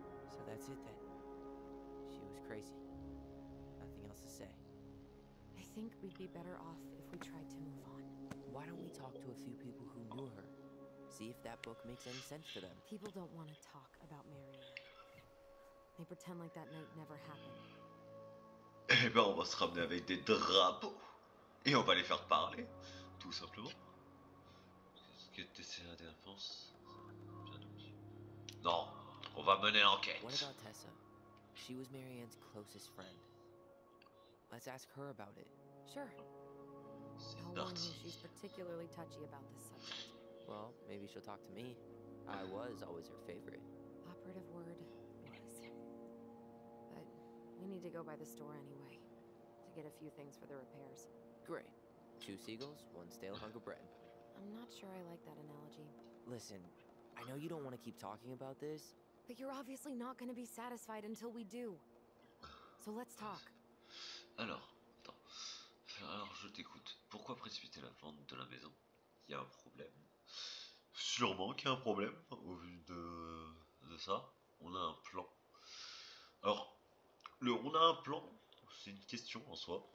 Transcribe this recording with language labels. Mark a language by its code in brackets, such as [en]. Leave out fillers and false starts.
[en] So that's it, then. She was crazy. Nothing else to say. I think we'd be better off if we tried to move on. Why don't we talk to a few people who knew her? See if that book makes any sense for them. People don't want to talk about Marianne. They pretend like that night never happened. [fr] Eh ben, on va se ramener avec des drapeaux. Et on va les faire parler. Tout simplement. Qu'est-ce que tu essaies de réponse? Non, on va mener l'enquête. [en] What about Tessa? She was Marianne's closest friend. Let's ask her about it. Sure. [fr] C'est [en] no one knew she's particularly touchy about this subject. Well, maybe she'll talk to me. I was always her favorite. Operative word, was. But we need to go by the store anyway to get a few things for the repairs. Great. Two seagulls, one stale hunk of bread. I'm not sure I like that analogy. Listen, I know you don't want to keep talking about this. But you're obviously not going to be satisfied until we do. So let's talk. [fr] Alors, attends. Alors, je t'écoute. Pourquoi précipiter la vente de la maison? Il y a un problème. Sûrement qu'il y a un problème, au vu de ça. On a un plan. Alors, le « on a un plan », c'est une question en soi.